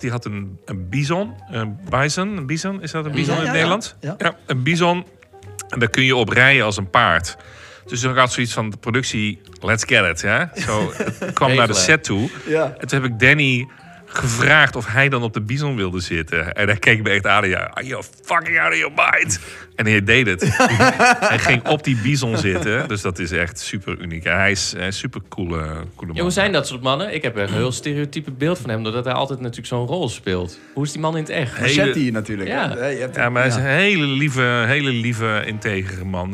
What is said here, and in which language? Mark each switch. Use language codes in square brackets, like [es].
[nl] Die had een bison. Is dat een bison in het Nederland? Ja, een bison. En daar kun je op rijden als een paard. Dus toen had zoiets van de productie, [en] let's get it. [nl] Ja? Zo, het kwam naar de set toe. Ja. En toen heb ik Danny gevraagd of hij dan op de bison wilde zitten. En hij keek me echt aan. [en] Ja, are you fucking out of your mind? [nl] En hij deed het. Hij ging op die bison zitten. Dus dat is echt super uniek. En hij is een super coole man. Hoe zijn dat soort mannen? Ik heb een heel stereotype beeld van hem. Doordat hij altijd natuurlijk zo'n rol speelt. Hoe is die man in het echt? Hele... Machete hier natuurlijk. Ja. Ja, maar hij is een hele lieve, integere man.